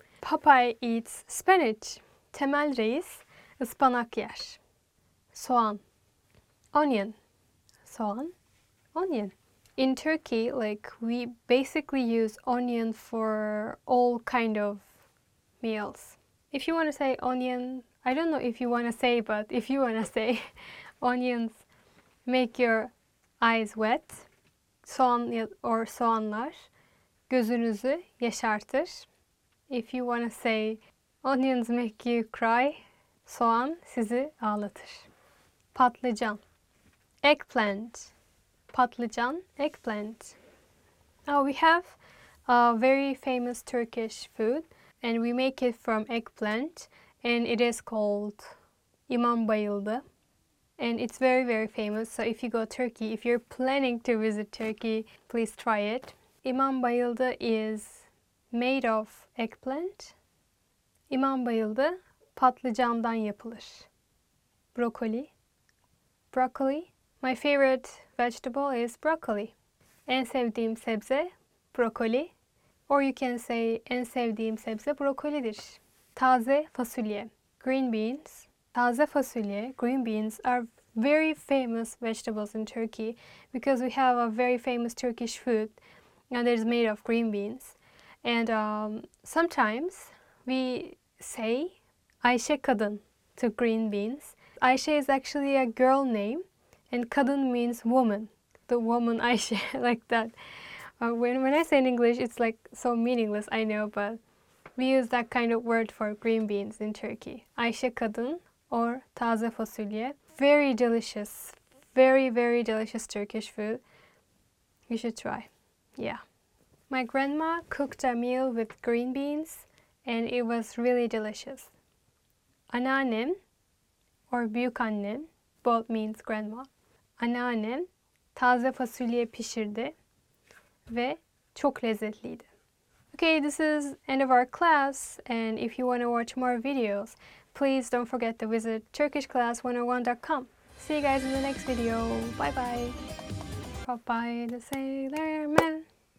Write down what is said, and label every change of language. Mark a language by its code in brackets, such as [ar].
[en] Popeye eats spinach. [tr] Temel Reis, ıspanak yer. Soğan. Onion. Soğan. Onion. [en] In Turkey, like, we basically use onion for all kind of meals. If you want to say onion, I don't know if you want to say, but if you want to say, onions make your eyes wet. [tr] Soğan or soğanlar gözünüzü yaşartır. [en] If you want to say, onions make you cry, [tr] soğan sizi ağlatır. [en] Patlıcan. Eggplant. [tr] Patlıcan, eggplant. [en] Now we have a very famous Turkish food and we make it from eggplant. And it is called İmam Bayıldı. And it's very, very famous. So if you go to Turkey, if you're planning to visit Turkey, please try it. İmam Bayıldı is made of eggplant. [tr] İmam Bayıldı patlıcandan yapılır. [en] Broccoli. Broccoli. My favorite vegetable is broccoli. [tr] En sevdiğim sebze broccoli. [en] Or you can say [tr] en sevdiğim sebze brokolidir. Taze fasulye, green beans. [en] Taze fasulye, green beans are very famous vegetables in Turkey because we have a very famous Turkish food and it is made of green beans. And sometimes we say Ayşe kadın to green beans. Ayşe is actually a girl name and kadın means woman. The woman Ayşe, like that. When I say in English, it's like so meaningless, I know, but we use that kind of word for green beans in Turkey. [tr] Ayşe kadın or taze fasulye. [en] Very delicious. Very, very delicious Turkish food. You should try. Yeah. My grandma cooked a meal with green beans and it was really delicious. Anneannem or büyükannem, both means grandma. [tr] Anneannem taze fasulye pişirdi ve çok lezzetliydi. [en] Okay, this is end of our class, and if you want to watch more videos, please don't forget to visit turkishclass101.com. See you guys in the next video. Bye-bye. Bye-bye, the sailor man.